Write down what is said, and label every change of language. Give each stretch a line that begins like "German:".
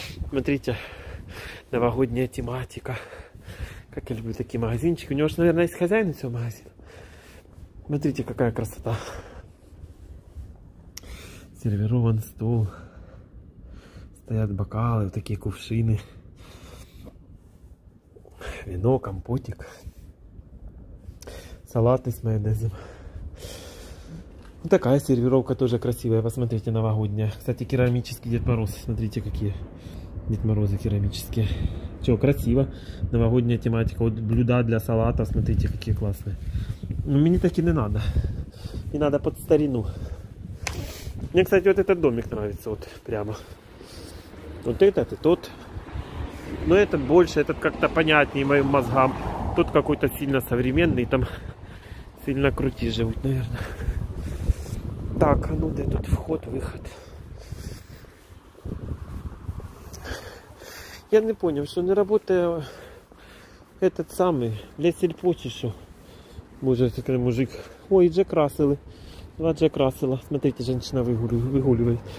Russian: Смотрите, новогодня тематика. Как я люблю
Ukrainian: такі магазинчики. У нього ж, наверно, є хазяїн цього магазину.
Russian: Смотрите, какая красота. Сервірован стол. Стоять бокали, такі кувшини. Вино, компотик. Салаты с майонезом. Вот такая сервировка тоже красивая. Посмотрите, новогодняя. Кстати, керамический Дед Мороз. Смотрите, какие Дед Морозы керамические. Че, красиво. Новогодняя тематика. Вот блюда для салата. Смотрите, какие классные. Но мне так и не надо. Не надо под старину. Мне, кстати, вот этот домик нравится. Вот прямо. Вот этот и тот. Но этот больше. Этот как-то понятнее моим мозгам. Тут какой-то сильно современный. Там...
Ukrainian: Сильно круті живуть, наверное. Так, а ну де тут вход, виход? Я не понял, що не работає этот самий Лесельпо, чи що? Може, такий мужик. Ой, Джек Расселы.
Russian: Два Джек Рассела. Смотрите, женщина вигулює.